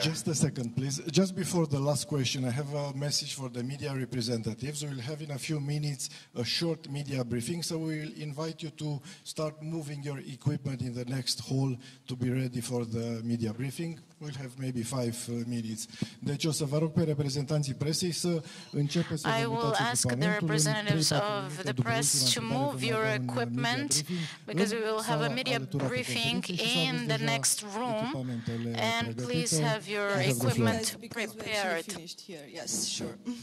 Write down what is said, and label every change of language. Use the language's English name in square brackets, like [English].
[English] Just a second, please. Just before the last question, I have a message for the media representatives. We'll have in a few minutes a short media briefing, so we'll invite you to start moving your equipment in the next hall to be ready for the media briefing. We'll have maybe 5 minutes. [Romanian] Deci o să vă rog pe reprezentanții presei să începe să vă mutați echipamentul. [English] I will ask the representatives of the press to move your equipment because we will have a media briefing in the next room, and please have your equipment prepared. Yes, sure.